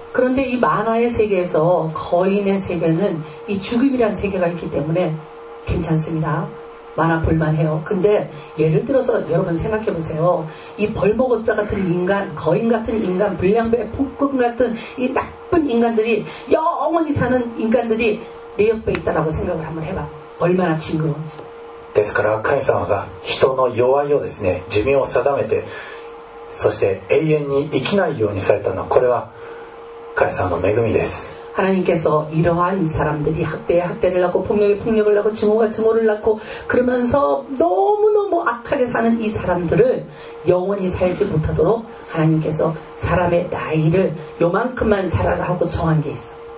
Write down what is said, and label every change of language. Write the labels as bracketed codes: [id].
[ko] 그런데 이 만화의 세계에서 거인의 세계는 이 죽음이란 세계가 있기 때문에 괜찮습니다. 만화 볼만해요. 근데 예를 들어서 여러분 생각해 보세요. 이 벌목업자 같은 인간, 거인 같은 인간, 불량배, 폭군 같은 이 나쁜 인간들이 영원히 사는 인간들이 내 옆에 있다라고 생각을 한번 해봐. 얼마나 징그러운지. [ja] ですから神様が人の弱いをですね寿命を定めてそして永遠に生きないようにされたのはこれは神様の恵みです。 [ko] 하나님께서 이러한 사람들이 학대에 학대를 낳고 폭력에 폭력을 낳고 증오가 증오를 낳고 그러면서 너무너무 악하게 사는 이 사람들을 영원히 살지 못하도록 하나님께서 사람의 나이를 요만큼만 살아라 하고 정한 게 있어.